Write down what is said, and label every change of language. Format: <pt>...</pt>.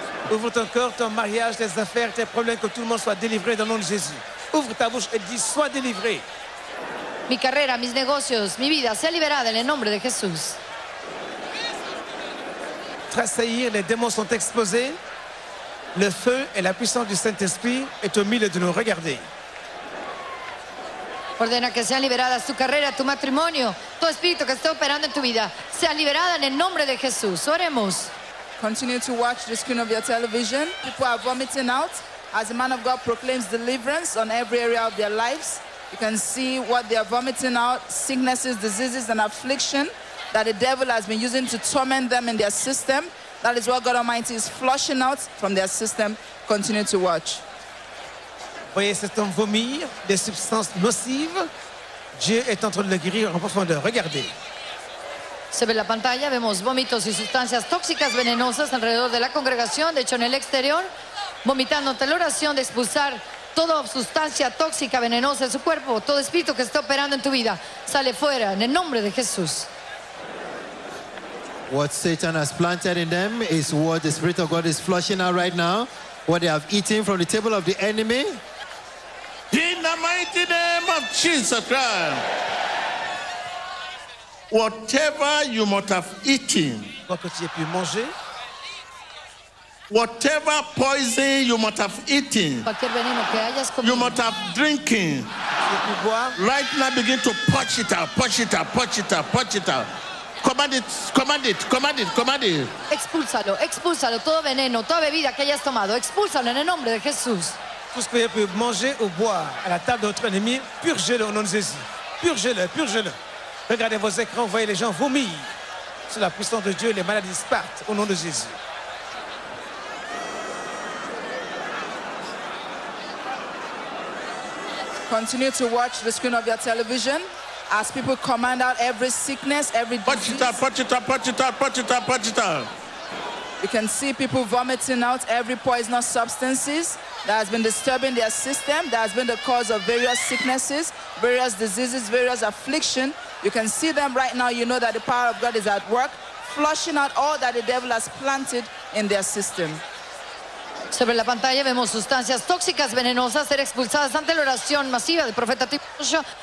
<fr>Ouvre ton cœur, ton mariage, tes affaires, tes problèmes, que tout le monde soit délivré dans le nom de Jésus. Ouvre ta bouche et dis, sois délivré.</fr> <es>Mi carrera, mis negocios, mi vida sea liberada en el nombre de Jesús.</es> <fr>Tressaillir, les démons sont exposés. Le feu et la puissance du Saint-Esprit est au milieu de nous. Regardez.</fr> <es>Ordena que sean liberadas tu carrera, tu matrimonio, tu espíritu que está operando en tu vida. Sea liberada en el nombre de Jesús. Oremos.</es> <en>Continue to watch the screen of your television. People are vomiting out. As the man of God proclaims deliverance on every area of their lives, you can see what they are vomiting out, sicknesses, diseases, and affliction that the devil has been using to torment them in their system. That is what God Almighty is flushing out from their system. Continue to watch.</en> <fr>Voyez cet homme vomir des substances nocives. Dieu est en train de le guérir en profondeur. Regardez.</fr> <es>Se ve la pantalla, vemos vómitos y sustancias tóxicas venenosas alrededor de la congregación, de hecho en el exterior, vomitando ante la oración de expulsar toda sustancia tóxica venenosa de su cuerpo, todo espíritu que está operando en tu vida, sale fuera en el nombre de Jesús.</es> <en>What Satan has planted in them is what the Spirit of God is flushing out right now, what they have eaten from the table of the enemy. In the mighty name of Jesus Christ. Whatever you might have eaten, whatever poison you might have eaten, you might have drinking, right now begin to purge it out, purge it out, purge it out, purge it out. Command it, command it, command it, command it.</en> <es>Expulsalo, expulsalo, todo veneno, toda bebida que hayas tomado, expulsalo en el nombre de Jesús.</es> <fr>Tout ce que vous pouvez manger ou boire à la table de votre ennemi, purgez-le au nom de Jésus. Purgez-le, purgez-le. Regardez vos écrans, voyez les gens vomir. Sous la puissance de Dieu, les maladies partent au nom de Jésus.</fr> <en>Continue to watch the screen of your television as people command out every sickness, every disease. Punch it out, punch it out, punch it out, punch it out, punch it out. You can see people vomiting out every poisonous substances that has been disturbing their system, that has been the cause of various sicknesses, various diseases, various affliction. You can see them right now. You know that the power of God is at work, flushing out all that the devil has planted in their system.</en> <es>Sobre la pantalla vemos sustancias tóxicas, venenosas, ser expulsadas ante la oración masiva del profeta Timoteo.</es>